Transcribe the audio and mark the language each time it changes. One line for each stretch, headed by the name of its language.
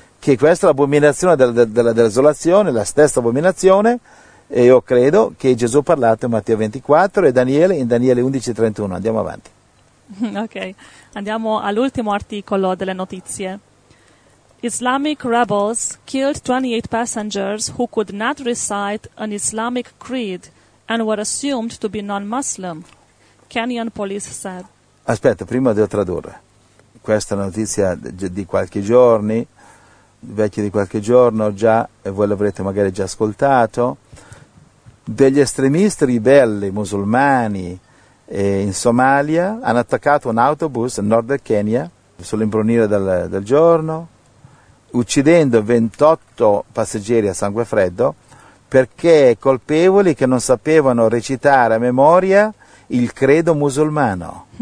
Italian: Che questa è l'abominazione della desolazione, la stessa abominazione, e io credo che Gesù ha parlato in Matteo 24 e Daniele in Daniele 11:31. Andiamo avanti. Ok, andiamo all'ultimo articolo delle notizie.
English: Islamic rebels killed 28 passengers who could not recite an Islamic creed and were assumed to be non-Muslim, Kenyan police said.
Italian: Aspetta, prima devo tradurre. Questa notizia di qualche giorno, vecchia di qualche giorno già, e voi l'avrete magari già ascoltato, degli estremisti ribelli musulmani in Somalia hanno attaccato un autobus nel nord del Kenya, sull'imbrunire del giorno, uccidendo 28 passeggeri a sangue freddo, perché colpevoli che non sapevano recitare a memoria il credo musulmano.